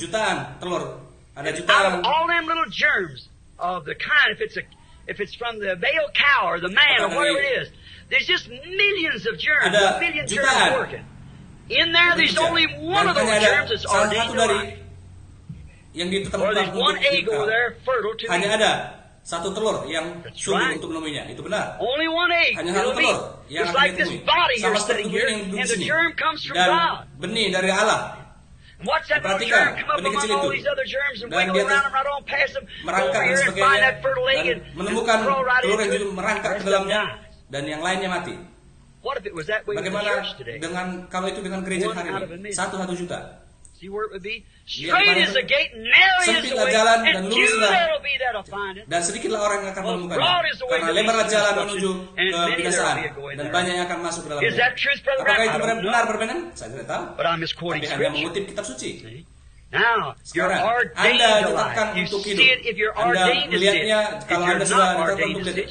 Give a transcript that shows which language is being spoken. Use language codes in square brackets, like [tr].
[id] Jutaan telur. Ada jutaan. [en] All them little germs of the kind, if it's from the male cow or the man or whatever it is, there's just millions of germs. [id] Ada [en] millions of germs working. In there, there's only one of those germs that's ordained to life. [id] Yang di tempat untuk hanya ada satu telur yang sulit untuk menemuinya. Itu benar. [en] Only one egg. [id] Hanya satu telur yang akan ditemui. Sama seperti tubuh yang di sini. Dan benih dari Allah. Perhatikan benih kecil itu. Dan dia merangkak dan sebagainya. Dan menemukan telur yang juga merangkak ke dalamnya. Dan yang lainnya mati. Bagaimana dengan kalau itu dengan gereja hari ini? Satu juta. [en] Straight is the gate, narrow is the way, and few there will be that'll find it. [id] Dan sedikitlah orang yang akan menemukannya. Karena lebarlah jalan menuju kebinasaan, dan banyak yang akan masuk ke dalamnya. [en] Is that truth, Brother? [id] Apakah itu benar berbenan? Saya tidak tahu. [en] But I'm just quoting Scripture. [id] Anda mengutip Kitab Suci. [en] Now, [id] sekarang Anda ditetapkan untuk hidup. Anda melihatnya kalau Anda sudah ditetapkan untuk hidup.